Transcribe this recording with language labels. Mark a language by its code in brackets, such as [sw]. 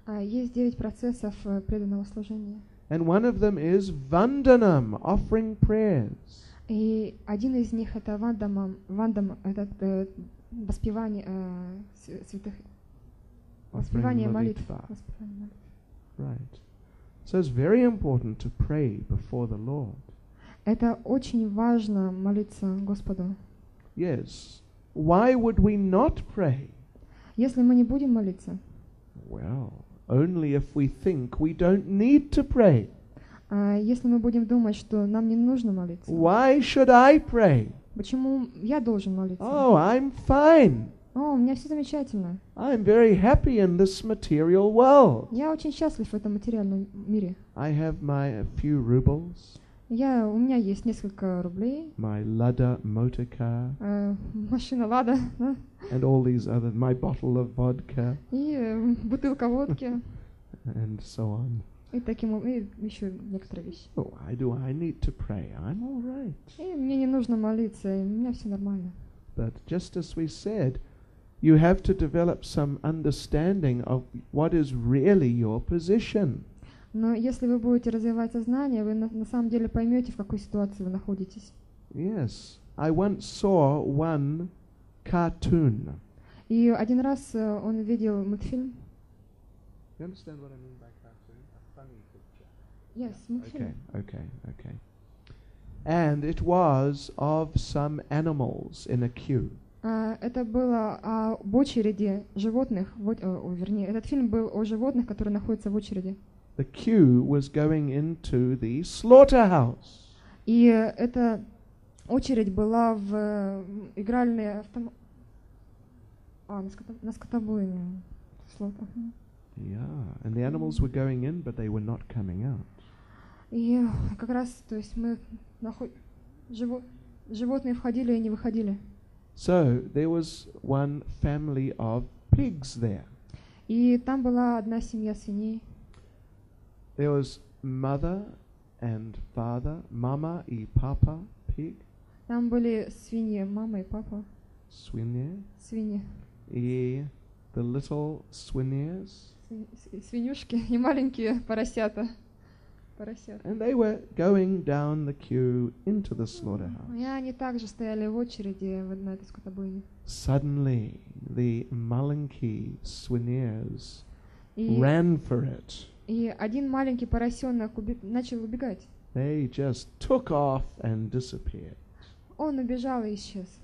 [ru] Есть 9 процессов преданного служения. [en] And one of them is vandanam, offering prayers. [ru] И один из них это вандамам, вандам это воспевание святых, воспевание молитв. [en] Right. So it's very important to pray before the Lord. [ru] Это очень важно молиться Господу. [en] Yes. Why would we not pray? [ru] Если мы не будем молиться. [en] Well, only if we think we don't need to pray. [ru] Если мы будем думать, что нам не нужно молиться. [en] Why should I pray? [ru] Почему я должен молиться? [en] Oh, I'm fine. [ru] О, у меня все замечательно. [en] I'm very happy in this material world. [ru] Я очень счастлив в этом материальном мире. [en] I have my few rubles. [ru] У меня есть несколько рублей. [en] My Lada motor car. [ru] Машина Лада. [en] And all these other, my bottle of vodka. [ru] И бутылка водки. [en] And so on. [ru] И таким образом, еще некоторые вещи. [en] Oh, why do I need to pray? I'm all right. [ru] И мне не нужно молиться, и у меня все нормально. [en] But just as we said, you have to develop some understanding of what is really your position. [ru] Но если вы будете развивать сознание, вы на самом деле поймете, в какой ситуации вы находитесь. [en] Yes, I once saw one cartoon. [ru] И один раз он видел мультфильм. [en] You understand what I mean by cartoon? A funny picture. Yes, [ru] мультфильм. [en] Okay. And it was of some animals in a queue. [ru] Это было об очереди животных. Вернее, этот фильм был о животных, которые находятся в очереди. [en] The queue was going into the slaughterhouse. [ru] И эта очередь была в игральные на скотобойню. [en] Yeah, and the animals were going in, but they were not coming out. [ru] И как раз, то есть мы животные входили и не выходили. [en] So there was one family of pigs there. [ru] И там была одна семья свиней. [en] There was mother and father, mama [ru] и [en] papa, pig. [ru] Там были свиньи, мама и папа. Свиньи. И [en] the little swineers. [ru] Свинюшки и маленькие поросята. [en] And they were going down the queue into the slaughterhouse. [ru] И они также стояли в очереди на этой скотобойне. [en] Suddenly, the [ru] маленькие свиньи [en] ran for it. [ru] И один маленький поросенок начал убегать. They just took off and disappeared. Он убежал и исчез.